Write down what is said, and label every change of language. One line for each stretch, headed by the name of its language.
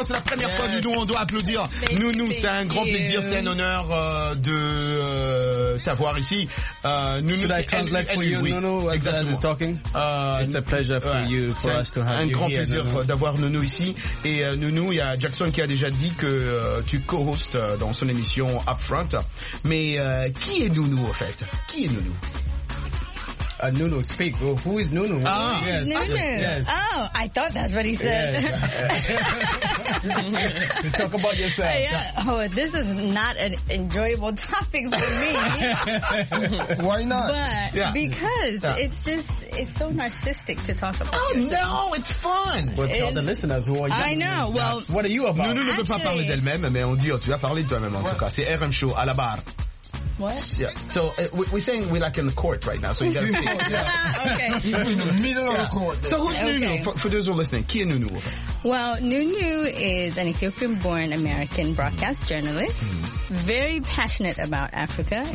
French: Franchement, c'est la première fois du nous, on doit applaudir. Nounou, c'est un grand plaisir, c'est un honneur de t'avoir ici. Nounou, c'est
English: translate for you,
French: oui. Nounou, as exactement.
English: As is talking. It's a pleasure for you, for us to have you here.
French: Un grand plaisir d'avoir Nounou ici. Et Nounou, il y a Jackson qui a déjà dit que tu co-hostes dans son émission Upfront. Mais qui est Nounou, en fait? Qui est Nounou?
English: Nounou, speak. Well, who is Nounou? Ah, yes. Nounou. Yes. Oh, I thought that's what he said. Yes. Talk about yourself. Yeah. Oh, this is not an enjoyable topic for me. Why not? But yeah. Because yeah. It's just, it's so narcissistic to talk about. Oh, yourself. No, it's fun. Well, tell the listeners who are you. I know. Well, what are you about?
French: Nounou ne veut pas parler d'elle-même, mais on dit, oh, tu vas parler de toi-même en tout cas. C'est RM Show à la barre.
English: What? Yeah. So we're saying we're like in the court right now. So you got to speak. Okay. In the middle of the court. So who's Nounou? For those who are listening, who is Nounou? Well, Nounou is an Ethiopian-born American broadcast journalist. Mm. Very passionate about Africa. Mm.